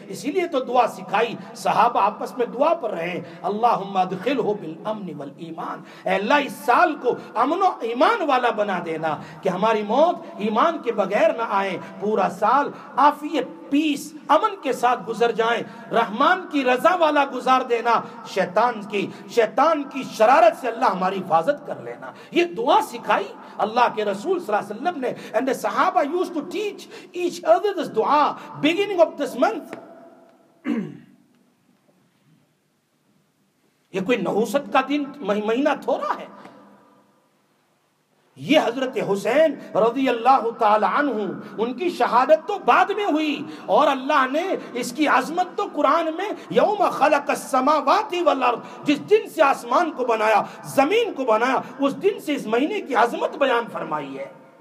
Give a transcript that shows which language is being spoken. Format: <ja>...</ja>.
<ur>اسی لیے تو دعا سکھائی، صحابہ آپس میں دعا پر رہے ہیں،</ur> <ar>اللہم ادخلہ بالامن والایمان،</ar> <ur>اے اللہ اس سال کو امن و ایمان والا بنا دینا کہ ہماری موت ایمان کے بغیر نہ آئے، پورا سال عافیت پیس امن کے ساتھ گزر جائیں، رحمان کی رضا والا گزار دینا، شیطان کی شرارت سے اللہ ہماری حفاظت کر لینا. یہ دعا سکھائی اللہ کے رسول صلی اللہ علیہ وسلم نے.</ur> <en>And the Sahaba used to teach each other this dua beginning of this month.</en> <ur>یہ کوئی نحوست کا دن مہینہ تھوڑا ہے. یہ حضرت حسین رضی اللہ تعالی عنہ ان کی شہادت تو بعد میں ہوئی، اور اللہ نے اس کی عظمت تو قرآن میں</ur> <ar>یوم خلق السماوات والارض،</ar> <ur>جس دن سے آسمان کو بنایا، زمین کو بنایا، اس دن سے اس مہینے کی عظمت بیان فرمائی ہے.</ur>